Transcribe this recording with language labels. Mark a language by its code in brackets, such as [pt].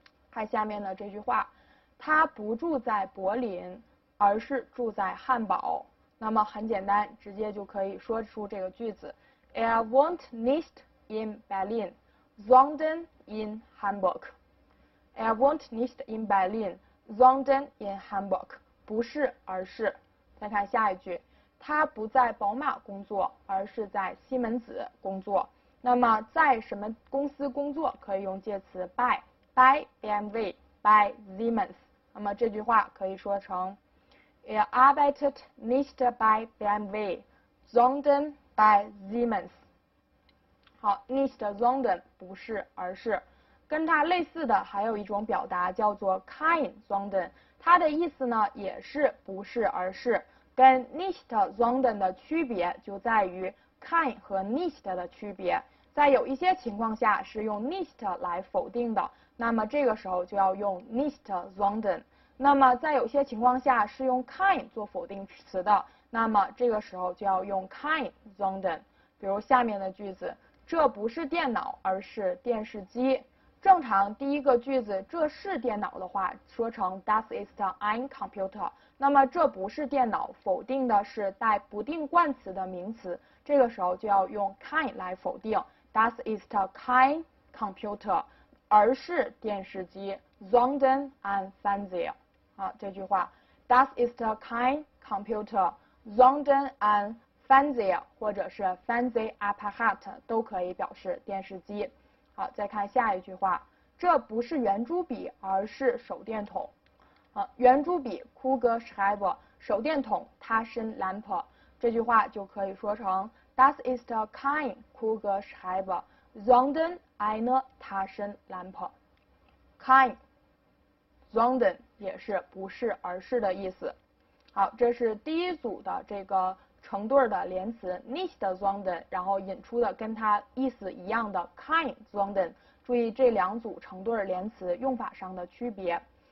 [zh] 看下面的这句话，他不住在柏林而是住在汉堡。那么很简单，直接就可以说出这个句子， [de] Er wohnt nicht in Berlin sondern in Hamburg。 Er wohnt nicht in Berlin, sondern in Hamburg. [zh] 不是而是。再看下一句，他不在宝马工作，而是在西门子工作。那么在什么公司工作可以用介词 by BMW, by Siemens. 那么这句话可以说成 [de] Er arbeitet nicht bei BMW, sondern bei Siemens. [zh] 好， nicht sondern, 不是而是。跟它类似的还有一种表达叫做 kein sondern， 它的意思呢也是不是而是。跟 nicht sondern 的区别就在于 kein 和 nicht 的区别，在有一些情况下是用 nicht 来否定的，那么这个时候就要用 nicht sondern， 那么在有些情况下是用 kein 做否定词的，那么这个时候就要用 kein sondern。比如下面的句子，这不是电脑而是电视机。正常第一个句子这是电脑的话说成 [de] Das ist ein Computer， [zh] 那么这不是电脑否定的是带不定冠词的名词，这个时候就要用 kein 来否定， [de] Das ist kein Computer， [zh] 而是电视机， [de] sondern ein Fernseher。 [zh] 好，这句话 [de] Das ist kein Computer， sondern ein Fernseher， [zh] 或者是 Fernsehapparat 都可以表示电视机。好，再看下一句话，这不是圆珠笔而是手电筒。圆珠笔 Kugelschreiber， 手电筒 Taschenlampe， 这句话就可以说成 [de] Das ist kein Kugelschreiber sondern eine Taschenlampe。 [zh] kein sondern 也是不是而是的意思。好，这是第一组的这个成对的连词 nicht sondern， 然后引出的跟它意思一样的 kein sondern， 注意这两组成对连词用法上的区别。